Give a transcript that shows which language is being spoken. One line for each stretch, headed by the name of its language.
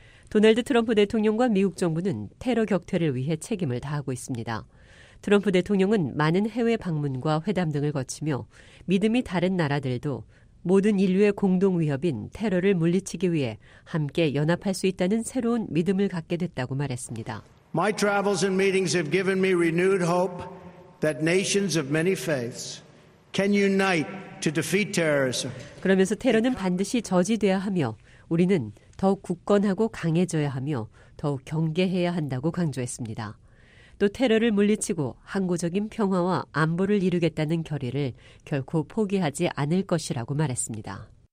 Korean: 도널드 트럼프 대통령과 미국 정부는 테러 격퇴를 위해 책임을 다하고 있습니다. 트럼프 대통령은 많은 해외 방문과 회담 등을 거치며 믿음이 다른 나라들도 모든 인류의 공동 위협인 테러를 물리치기 위해 함께 연합할 수 있다는 새로운 믿음을 갖게 됐다고 말했습니다.
English: My travels and meetings have given me renewed hope that nations of many faiths can unite to defeat terrorism.
Korean: 그러면서 테러는 반드시 저지돼야 하며 우리는 더욱 굳건하고 강해져야 하며 더욱 경계해야 한다고 강조했습니다. 또 테러를 물리치고 항구적인 평화와 안보를 이루겠다는 결의를 결코 포기하지 않을 것이라고 말했습니다.